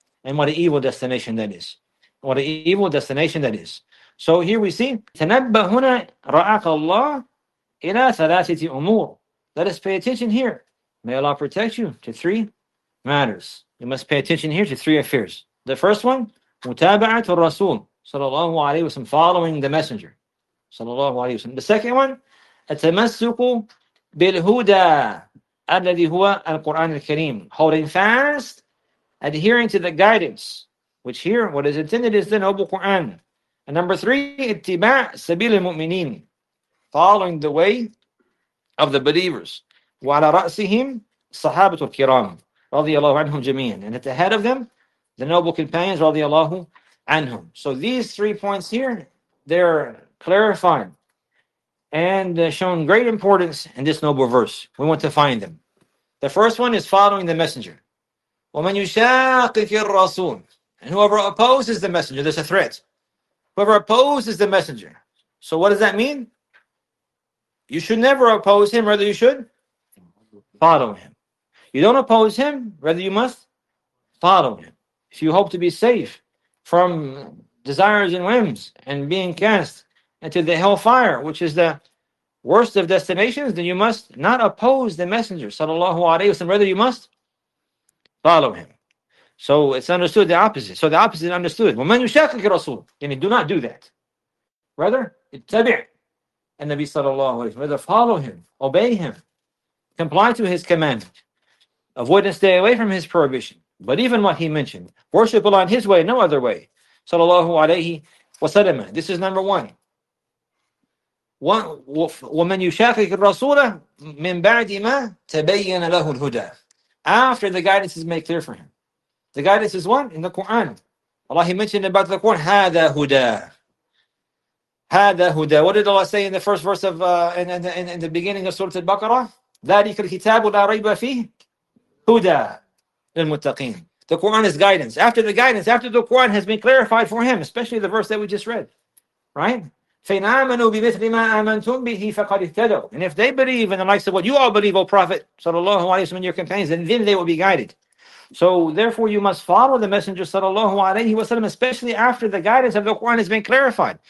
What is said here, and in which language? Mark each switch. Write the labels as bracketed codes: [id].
[en] And what an evil destination that is. What an evil destination that is. So here we see, [ar] تَنَبَّهُنَا رَعَقَ اللَّهُ إلى ثلاثة أمور. [en] Let us pay attention here. May Allah protect you to three matters. You must pay attention here to three affairs. The first one, [ar] متابعة الرسول صلى الله عليه وسلم, [en] following the messenger صلى الله عليه وسلم. The second one, [ar] التمسك بالهدى الذي هو القرآن الكريم. [en] Holding fast, adhering to the guidance, which here what is intended is the noble Quran. And number three, [ar] اتباع سبيل المؤمنين, [en] following the way of the believers. [ar] وعلى رأسهم الصحابة الكرام رضي الله عنهم جميعا. [en] And at the head of them, the noble companions رضي الله عنهم. So these three points here, they're clarifying and shown great importance in this noble verse. We want to find them. The first one is following the messenger. [ar] وَمَنْ يُشَاقِقِ الرَّسُولِ. [en] And whoever opposes the messenger, there's a threat. Whoever opposes the messenger. So what does that mean? You should never oppose him, rather you should follow him. You don't oppose him, rather you must follow him. If you hope to be safe from desires and whims and being cast into the hellfire, which is the worst of destinations, then you must not oppose the messenger, sallallahu alayhi wa sallam, rather you must follow him. So it's understood the opposite. So the opposite is understood. [ar] وَمَنْ يُشَاقِقِ الرَّسُولِ. [en] Then do not do that. [ar] Rather, اتَّبِعْ النَّبِي صَلَى اللَّهُ عَلَيْهِ وَسَلَّمَ. [en] Rather follow him, obey him, comply to his commandment, avoid and stay away from his prohibition. But even what he mentioned, worship Allah in his way, no other way. [ar] صلى الله عليه وسلم. [en] This is number one. [ar] وَمَنْ يُشَاقِقِ الرَّسُولَ مِنْ بَعْدِ مَا تَبَيَّنَ لَهُ الْهُدَى. [en] After the guidance is made clear for him. The guidance is one in the Quran. Allah, he mentioned about the Quran, [ar] هذا هدى. هذا هدى. [en] What did Allah say in the first verse of in the beginning of Surah Al-Baqarah? [ar] ذلك الكتاب لا ريب فيه هدى للمتقين. [en] The Quran is guidance. After the guidance, after the Quran has been clarified for him, especially the verse that we just read, right? [ar] فَإِنْ آمَنُوا بِمِثْلِ مَا آمَنْتُمْ بِهِ فَقَدْ اهْتَدَوْا. [en] And if they believe in the likes of what you all believe, O Prophet, sallallahu alayhi wa sallam, and your companions, then they will be guided. So therefore you must follow the messenger sallallahu alayhi wa sallam, especially after the guidance of the Quran has been clarified.